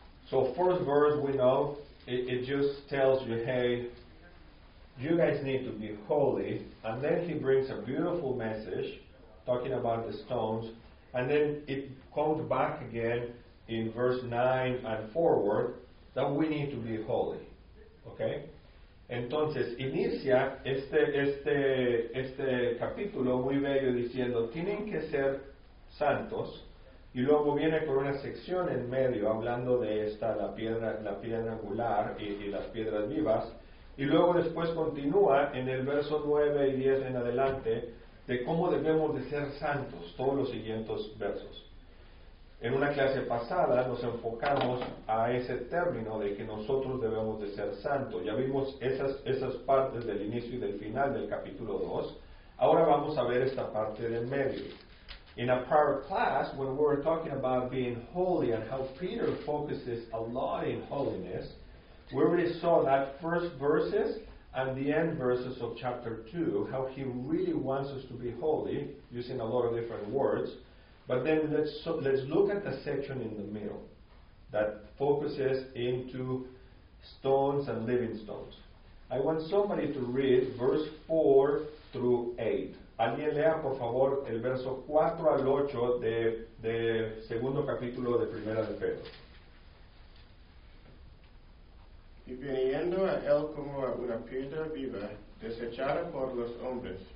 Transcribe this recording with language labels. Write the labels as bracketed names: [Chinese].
[English] So first verse we know, it just tells you, hey, you guys need to be holy. And then he brings a beautiful message, talking about the stones. And then it comes back again in verse 9 and forward, that we need to be holy. Okay? [Spanish] Entonces, inicia este capítulo muy bello diciendo, tienen que ser santos. Y luego viene con una sección en medio hablando de esta, la piedra angular y las piedras vivas. Y luego después continúa en el verso 9 y 10 en adelante de cómo debemos de ser santos, todos los siguientes versos. En una clase pasada nos enfocamos a ese término de que nosotros debemos de ser santos. Ya vimos esas partes del inicio y del final del capítulo 2. Ahora vamos a ver esta parte del medio. [English] In a prior class, when we were talking about being holy and how Peter focuses a lot in holiness, we already saw that first verses and the end verses of chapter 2, how he really wants us to be holy, using a lot of different words. But then let's look at the section in the middle that focuses into stones and living stones. I want somebody to read verse 4 through 8. [Spanish] Alguien lea, por favor, el verso 4 al 8 de segundo capítulo de Primera de Pedro. Y viniendo a él como a una piedra viva, desechada por los hombres,